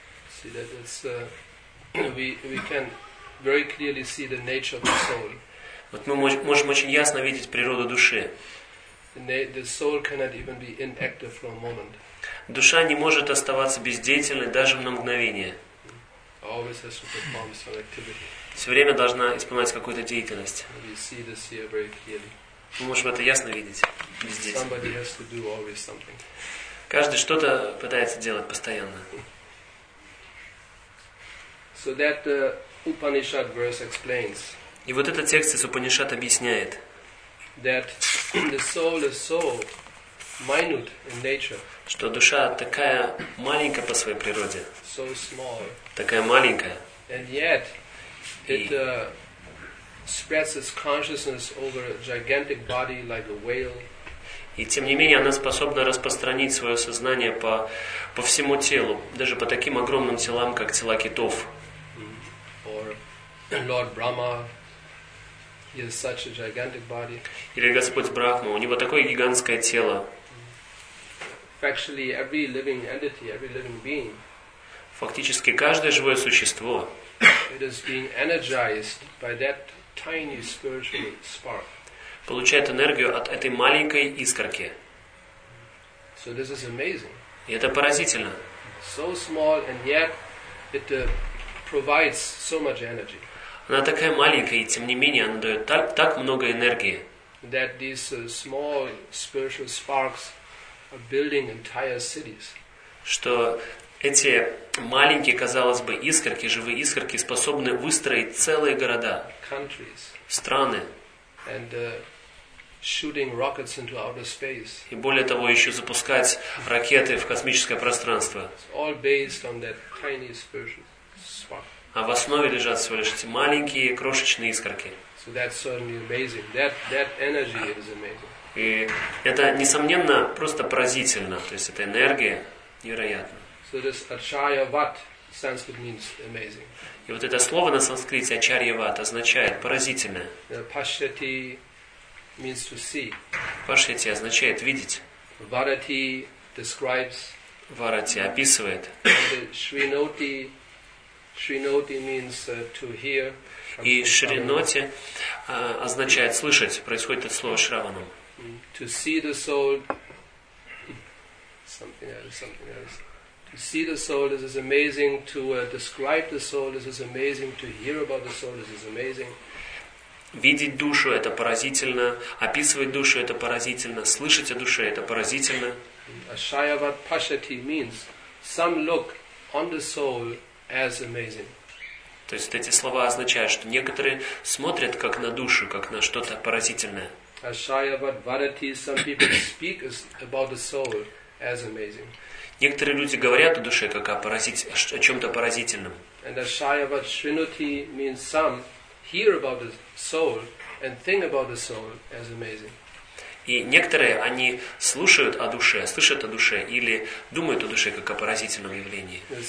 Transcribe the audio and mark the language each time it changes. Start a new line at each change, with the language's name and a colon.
English: See that it's we can very clearly see the nature of the soul.
Russian: Вот мы можем очень ясно видеть природу души.
English: The soul cannot even be inactive for a moment.
Russian: Душа не может оставаться бездеятельной даже на мгновение.
English: Always has to perform some activity.
Russian: Все время должна исполнять какую-то деятельность.
English: We see this here very clearly.
Russian: Мы можем это ясно видеть здесь.
English: Somebody has to do always something.
Russian: Каждый что-то пытается делать постоянно.
English: So that the Upanishad verse explains.
Russian: И вот этот текст из Упанишад объясняет,
English: that the soul is so minute in nature.
Russian: Что душа такая маленькая по своей природе.
English: So small.
Russian: Такая маленькая.
English: And yet it spreads its consciousness over a gigantic body like a whale.
Russian: И тем не менее она способна распространить свое сознание по всему телу, даже по таким огромным телам, как тела китов.
English: Or Lord Brahma, he has such a gigantic body.
Russian: Или Господь Брахма, у него такое гигантское тело.
English: Actually, every living entity, every living being.
Russian: Фактически каждое живое существо.
English: It is being energized by that tiny spiritual spark.
Russian: Получает энергию от этой маленькой искорки.
English: So this is amazing.
Russian: И это поразительно.
English: So small and yet it provides so much energy.
Russian: Она такая маленькая, и тем не менее она дает так много энергии.
English: That these small spiritual sparks are building entire cities.
Russian: Что эти маленькие, казалось бы, искорки, живые искорки, способны выстроить целые города,
English: countries,
Russian: страны,
English: and shooting rockets into outer space.
Russian: И более того, еще запускать ракеты в космическое пространство.
English: It's all based on that tiny spiritual spark.
Russian: А в основе лежат всего лишь эти маленькие крошечные искорки.
English: So that's certainly amazing. That energy is amazing.
Russian: И это, несомненно, просто поразительно. То есть эта энергия невероятна.
English: So this acharya vat, Sanskrit means amazing.
Russian: И вот это слово на санскрите acharya vat означает поразительное.
English: Pashyati means to see.
Russian: Pashyati означает видеть.
English: Varati describes.
Russian: Varati описывает.
English: And the shrinoti. Shrinoti means to hear.
Russian: И шриноти означает слышать. Происходит это слово шраваном.
English: To see the soul. Something else. Something else. To see the soul, this is amazing. To describe the soul, this is amazing. To hear about the soul, this is amazing.
Russian: Видеть душу это поразительно. Описывать душу это поразительно. Слышать о душе это поразительно.
English: Ashaya vat pashyati means some look on the soul. As amazing.
Russian: То есть вот эти слова означают, что некоторые смотрят как на душу, как на что-то поразительное.
English: Ashaya vat varati, some people speak about the soul as amazing.
Russian: Некоторые люди говорят о душе как о чем-то поразительном.
English: And ashaya vat shrinuti means some hear about the soul and think about the soul as amazing.
Russian: И некоторые, они слушают о душе, слышат о душе, или думают о душе как о поразительном явлении.